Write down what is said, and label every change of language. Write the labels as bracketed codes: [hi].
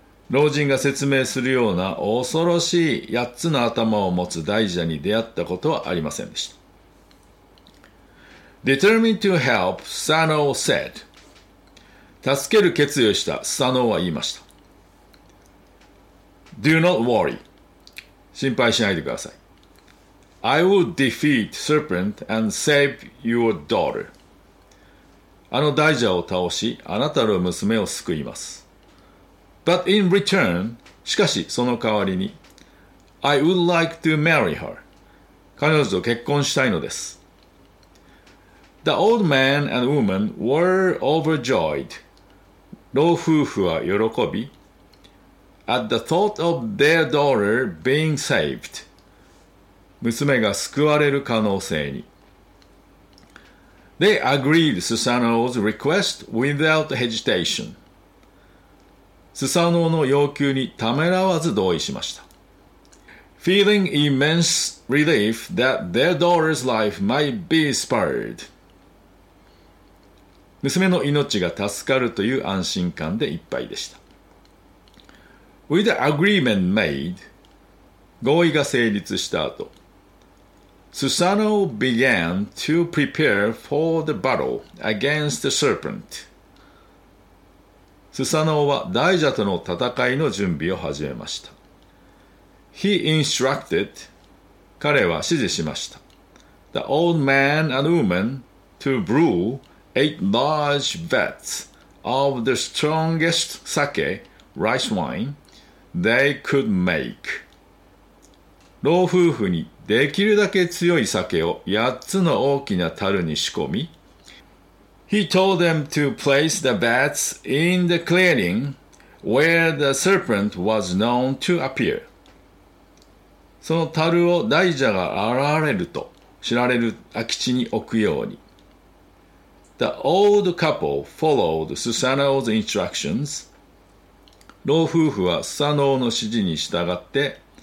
[ja] 老人が説明するような恐ろしい八つの頭を持つ大蛇に出会ったことはありませんでした。 [en] Determined to help, Susanoo said. [ja] 助ける決意をしたSusanooは言いました。 [en] Do not worry. [ja] 心配しないでください。 [en] I will defeat serpent and save your daughter. [ja] あの大蛇を倒し、あなたの娘を救います。 [en] But in return, [ja] しかしその代わりに、 [en] I would like to marry her. [ja] 彼女と結婚したいのです。 [en] The old man and woman were overjoyed. [ja] 老夫婦は喜び、 [en] at the thought of their daughter being saved. [ja] 娘が救われる可能性に。 [en] They agreed Susanoo's request without hesitation. [ja] スサノオの要求にためらわず同意しました。 [en] Feeling immense relief that their daughter's life might be spared. [ja] 娘の命が助かるという安心感でいっぱいでした。 [en] With the agreement made, [ja] 合意が成立した後、 [en] Susanoo began to prepare for the battle against the serpent. [ja] スサノオは大蛇との戦いの準備を始めました。 [en] He instructed, [ja] 彼は指示しました。 [en] The old man and woman to brew 8 large vats of the strongest sake, rice wine, they could make. [ja] 老夫婦にできるだけ強い酒を8つの大きな樽に仕込み、 [en] He told them to place the vats in the clearing where the serpent was known to appear. [ja] その樽を大蛇が現れると知られる空き地に置くように。 [en] The old couple followed Susanoo's instructions. [ja] 老夫婦はスサノオの指示に従って